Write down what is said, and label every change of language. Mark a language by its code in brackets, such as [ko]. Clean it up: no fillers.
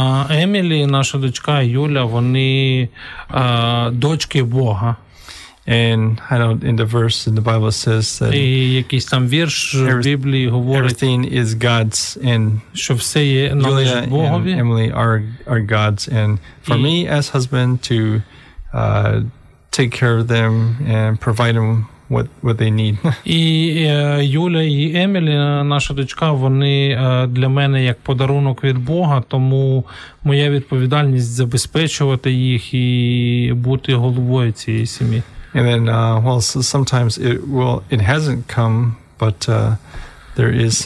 [uk] Емілі, наша дочка, і Юля, вони дочки Бога. [en] And the verse in the Bible says that [uk] і якийсь там вірш в Біблії говорить, [en] everything is God's, and [uk] що все є належить Богові. [en] And Emily are God's, and for me as husband to take care of them and provide them what they need. [uk] І Юля і Емілі, наша дочка, вони для мене як подарунок від Бога, тому моя відповідальність забезпечувати їх і бути головою цієї сім'ї. [en] And then sometimes it hasn't come, but there is